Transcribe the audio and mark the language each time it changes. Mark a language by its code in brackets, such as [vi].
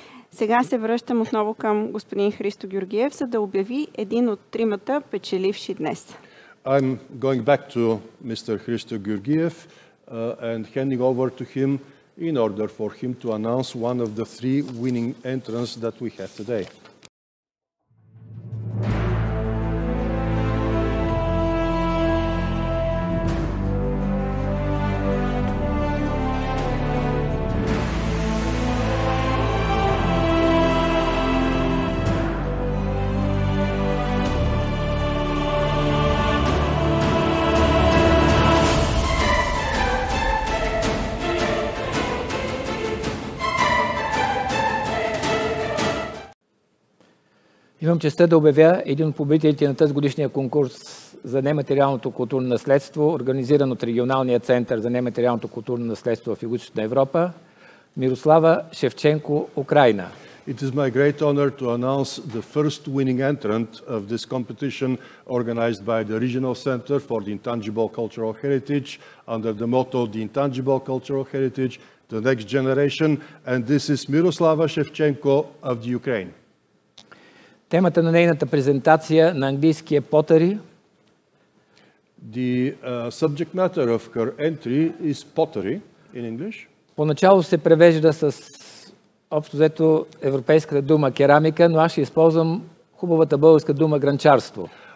[bg] Сега се връщам отново към господин Христо Георгиев, за да обяви един от тримата печеливши днес. [en] I'm going back to Mr. Христо Георгиев and handing over to him in order for him to announce one of the three winning entrants that we have today. [bg] Имам честа да обявя един от победителите на тази годишния конкурс за нематериалното културно наследство, организиран от Регионалния център за нематериалното културно наследство в Югоизточна Европа, Мирослава Шевченко, Украина. [en] It is my great honor to announce the first winning entrant of this competition organized by the Regional Center for the Intangible Cultural Heritage under the motto The Intangible Cultural Heritage, The Next Generation, and this is Мирослава Шевченко of the Ukraine. [bg] Темата на нейната презентация на английски е Pottery. [en] The subject matter of her entry is Pottery in English. [bg] Поначало се превежда с общо взето европейската дума керамика, но аз ще използвам хубавата българска дума гранчарство.